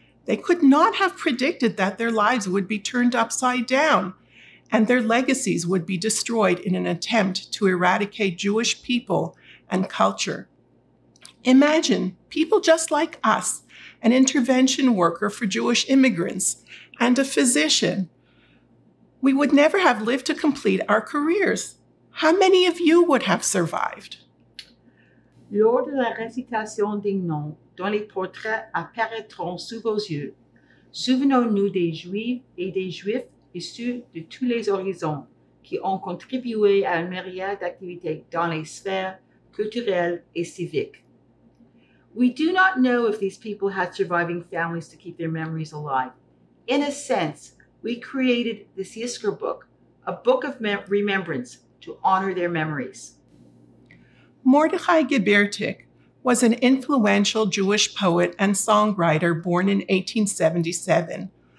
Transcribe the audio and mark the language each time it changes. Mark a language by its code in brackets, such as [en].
[en] They could not have predicted that their lives would be turned upside down and their legacies would be destroyed in an attempt to eradicate Jewish people and culture. Imagine people just like us, an intervention worker for Jewish immigrants and a physician. We would never have lived to complete our careers. How many of you would have survived? [fr] Lors de la récitation des noms, dont les portraits apparaîtront sous vos yeux. Souvenons-nous des Juifs et des Juifs issus de tous les horizons qui ont contribué à une myriade d'activités dans les sphères culturelles et civiques. [en] We do not know if these people had surviving families to keep their memories alive. In a sense, we created this Yisker book, a book of remembrance to honor their memories. Mordechai Gebirtig was an influential Jewish poet and songwriter born in 1877.